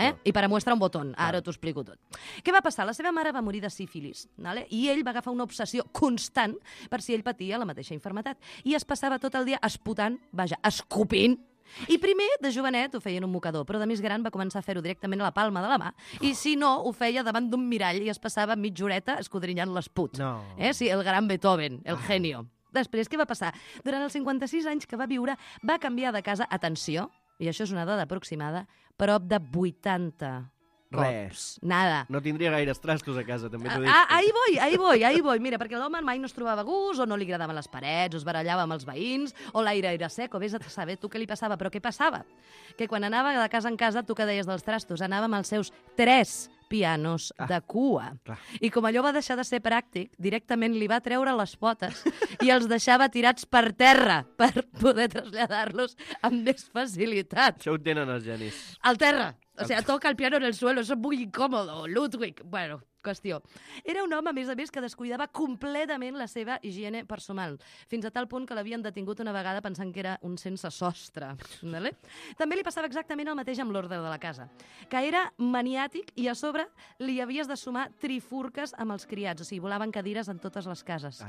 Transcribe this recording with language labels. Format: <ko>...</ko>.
<ca>I per a mostrar un botó, ara t'ho explico tot. Què va passar? La seva mare va morir de sífilis, i ell va agafar una obsessió constant per si ell patia la mateixa infermetat. I es passava tot el dia esputant, escupint. I primer, de jovenet, ho feia en un mocador, però de més gran va començar a fer-ho directament a la palma de la mà. I si no, ho feia davant d'un mirall i es passava mitja horeta escodrinyant l'esput. Sí, el gran Beethoven,</ca> <es>el genio.</es> <ca>Després, què va passar? Durant els 56 anys que va viure, va canviar de casa, atenció, i això és una dada aproximada, prop de 80 res.</ca> <es>Nada.</es> <ca>No tindria gaires trastos a casa, també t'ho dic.</ca> <es>Ahir voy.</es> <ca>Mira, perquè l'home mai no es trobava gust, o no li agradaven les parets, o es barallava amb els veïns, o l'aire era sec, o vés a saber tu què li passava. Però què passava? Que quan anava de casa en casa, tu que deies dels trastos, anava amb els seus 3 pianos de cua. Clar. I com allò va deixar de ser pràctic, directament li va treure les potes i els deixava tirats per terra per poder traslladar-los amb més facilitat. Això ho tenen els genis. Al terra.</ca> <es>O sea, toca el piano en el suelo, eso es muy incómodo, Ludwig.</es> <ca>Bueno, qüestió. Era un home, a més, que descuidava completament la seva higiene personal, fins a tal punt que l'havien detingut una vegada pensant que era un sense sostre. Vale? També li passava exactament el mateix amb l'ordre de la casa, que era maniàtic i a sobre li havies de sumar trifurques amb els criats, o sigui, volaven cadires en totes les cases.</ca>